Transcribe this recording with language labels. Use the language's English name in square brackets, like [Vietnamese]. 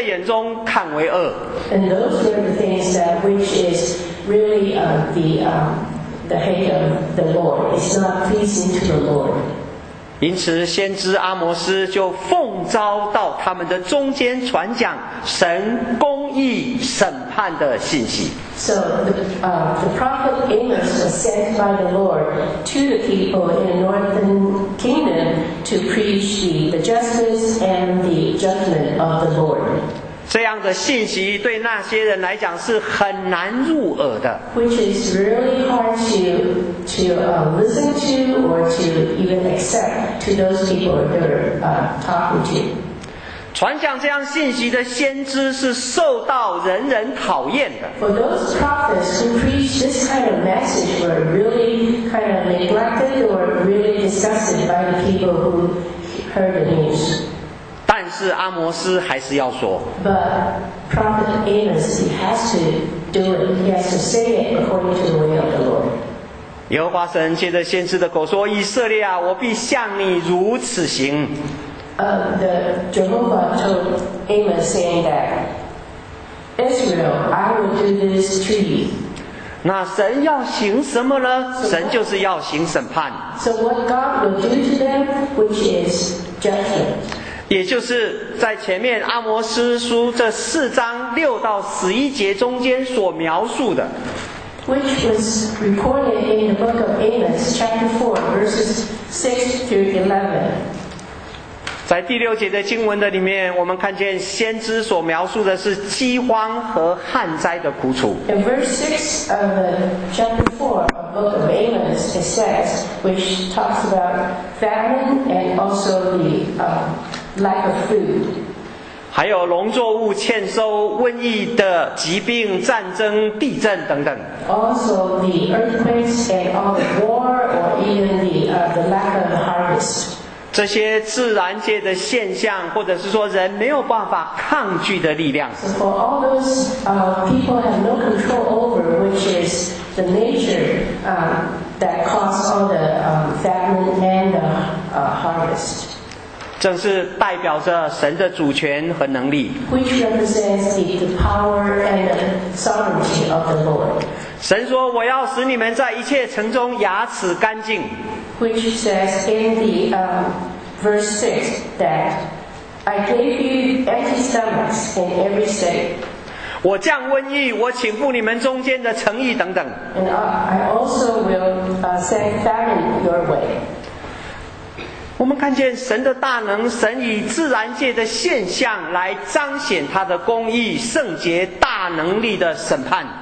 [English] And those are the things that which is really the hate of the Lord. It's not pleasing to the Lord. [Chinese] 因此先知阿摩斯就奉召到他们的中间传讲神公义审判的信息。 [English] So the prophet Amos was sent by the Lord to the people in the northern kingdom to preach the justice and the judgment of the Lord. [Chinese] 这样的信息对那些人来讲是很难入耳的。 [English] Which is really hard to listen to or to even accept to those people they're talking to. [Chinese] 传讲这样信息的先知是受到人人讨厌的。 [English] For those prophets who preach this kind of message were really kind of neglected or really disgusted by the people who heard the news. [Chinese] 但是阿摩斯还是要说。 [English] But prophet Amos has to do it. He has to say it according to the will of the Lord. [Chinese] 耶和华神借着先知的口说：“以色列啊，我必向你如此行。” [English] The Jehovah told Amos saying that Israel, I will do this to you. [Chinese] 那神要行什么呢？神就是要行审判。 [English] So what God will do to them, which is judgment. [Chinese] 也就是在前面阿摩斯书这四章六到十一节中间所描述的。 [English] Which was recorded in the book of Amos, chapter 4, verses 6 through 11. [Chinese] 在第六节的经文的里面，我们看见先知所描述的是饥荒和旱灾的苦楚。 [English] In verse 6 of chapter 4 of the book of Amos, it says, which talks about famine and also the lack of food. [Chinese] 还有农作物欠收、瘟疫的疾病、战争、地震等等。 [English] Also the earthquakes and all the war or even the lack of harvest. [Chinese] 这些自然界的现象，或者是说人没有办法抗拒的力量。 [English] So for all those people have no control over, which is the nature that caused all the famine and the harvest. [Chinese] 正是代表着神的主权和能力。 [English] Which represents the power and the sovereignty of the Lord. [Chinese] 神说：“我要使你们在一切城中牙齿干净。” [English] Which says in the verse 6 that I gave you empty stomachs in every city. [Chinese] 我降瘟疫，我请赴你们中间的诚意等等。 [English] And I also will send famine your way. [Chinese] 我们看见神的大能，神以自然界的现象来彰显他的公义、圣洁、大能力的审判。